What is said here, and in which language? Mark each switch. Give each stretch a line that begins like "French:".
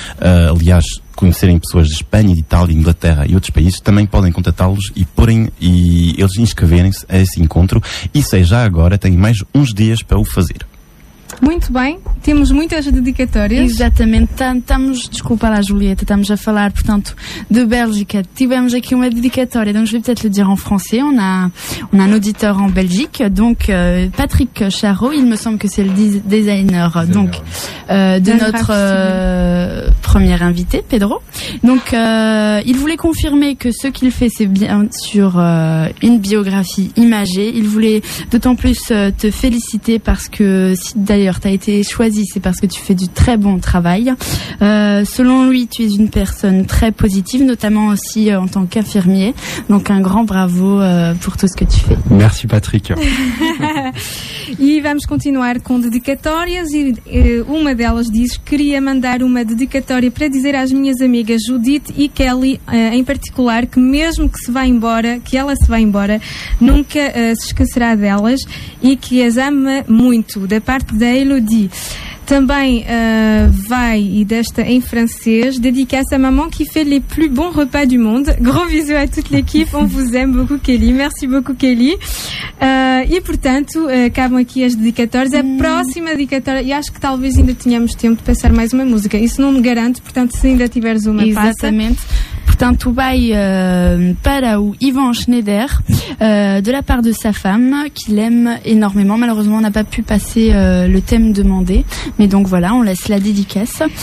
Portuguese: Aliás, conhecerem pessoas de Espanha, de Itália, de Inglaterra e outros países, também podem contactá-los e porem e eles inscreverem-se a esse encontro. E seja agora, têm mais uns dias para o fazer. Muito bem, temos muitas dedicatórias. Exatamente, desculpa lá, Julieta, estamos a falar, portanto, de Bélgica. Tivemos aqui uma dedicatória, então eu vou
French: peut-être le dire en français. On a un auditeur en Belgique, donc Patrick Charot, il me semble que c'est le designer donc, de notre premier invité, Pedro. Donc, il voulait confirmer que ce qu'il fait, c'est bien sûr une biographie imagée. Il voulait d'autant plus te féliciter parce que, si, d'ailleurs, tu as été choisi, c'est parce que tu fais du très bon travail. Selon lui, tu es une personne très positive, notamment aussi en tant qu'infirmier. Donc, un grand bravo pour tout ce que tu fais. Merci, Patrick.
Portuguese: E vamos continuar com dedicatórias e uma delas diz: queria mandar uma dedicatória para dizer às minhas amigas Judite e Kelly em particular que mesmo que se vá embora, que ela se vá embora, nunca se esquecerá delas e que as ama muito, da parte da Elodie. Também vai, e desta em francês, dedicar-se
French: à maman qui fait les plus bons repas du monde. Gros bisous à toute l'équipe, on vous aime beaucoup Kelly, merci beaucoup Kelly.
Portuguese: E portanto, acabam aqui as dedicatórias. A próxima dedicatória, e acho que talvez ainda tenhamos tempo de passar mais uma música, isso não me garanto, portanto se ainda tiveres uma, exatamente, passa. Exatamente. Portanto, vai para o
French: Yvan Schneider, de la part de sa femme, qu'il aime énormément. Malheureusement, on n'a pas pu passer le thème demandé. Mais donc voilà, on laisse la dédicace.